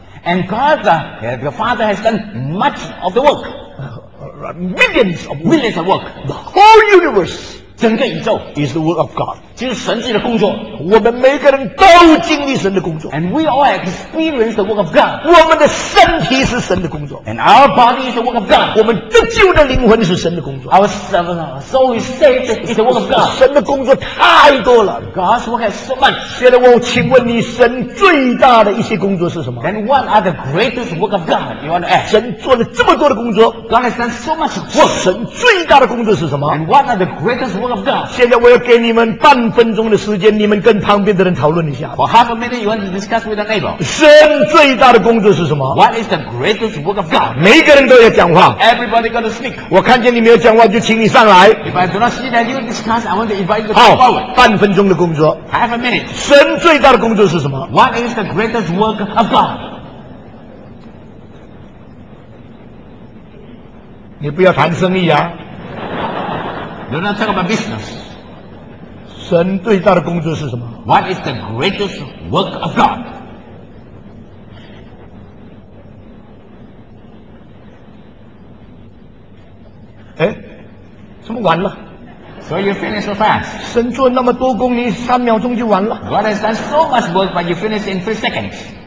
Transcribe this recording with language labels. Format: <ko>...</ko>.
<en>And God, the Father has done much of the work. Millions of work. The whole universe.</en> <zh>整个宇宙</zh> <en>is the work of God，</en> <zh>就是神自己的工作。我们每个人都经历神的工作。</zh> <en>And we all experience the work of God。</en> <zh>我们的身体是神的工作。</zh> <en>And our body is the work of God。</en> <zh>我们得救的灵魂是神的工作。</zh> <en>Our soul is saved is the work of God。</en> <zh>神的工作太多了。</zh> <en>God's work has so much。</en> <zh>现在我请问你，神最大的一些工作是什么</zh> <en>？Then what are the greatest work of God you want to ask？</en> <zh>神做了这么多的工作。</zh> <en>God has done so much work。</en> <zh>神最大的工作是什么</zh> <en>？And what are the greatest？</en> <zh>现在我要给你们半分钟的时间，你们跟旁边的人讨论一下。</zh> <en>For half a minute, you want to discuss with the neighbor.</en> <zh>神最大的工作是什么</zh> <en>？What is the greatest work of God?</en> <zh>每个人都要讲话。</zh> <en>Everybody got to speak.</en> <zh>我看见你没有讲话，就请你上来。</zh> <en>If I do not see that you discuss, I want to invite you to come forward.</en> <zh>好，半分钟的工作。</zh> <en>Half a minute.</en> <zh>神最大的工作是什么</zh> <en>？What is the greatest work of God?</en> <zh>你不要谈生意啊。</zh> <en>You're not talking about business.</en> <zh>神最大的工作是什么</zh> <en>？What is the greatest work of God?</en> <zh>哎，怎么完了？</zh> <en>So you finish so fast.</en> <zh>神做那么多工，你三秒钟就完了。</zh> <en>God has done so much work, but you finish in 3 seconds.</en>